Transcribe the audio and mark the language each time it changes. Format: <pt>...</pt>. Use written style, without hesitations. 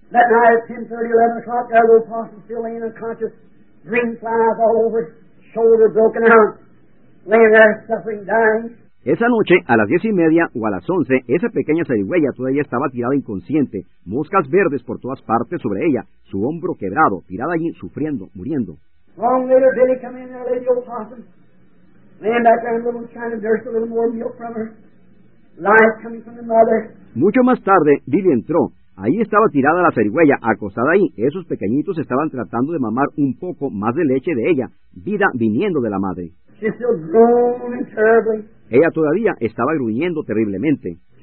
<en>That night at 10:30, 11 o'clock, that little possum still laying unconscious, green flies all over, shoulder broken out, laying there suffering, dying.</en> <es>Esa noche, a las 10:30 o a las 11, esa pequeña zarigüeya todavía estaba tirada inconsciente, moscas verdes por todas partes sobre ella, su hombro quebrado, tirada allí, sufriendo, muriendo.</es> <en>Long later, Billy came in there, lady old possum, laying back there in a little china, nursed a little more milk from her, life coming from the mother.</en> <es>Mucho más tarde, Billy entró. Ahí estaba tirada la zarigüeya, acostada ahí. Esos pequeñitos estaban tratando de mamar un poco más de leche de ella, vida viniendo de la madre.</es> <en>She still groaning terribly.</en> <es>Ella todavía estaba gruñendo terriblemente.</es>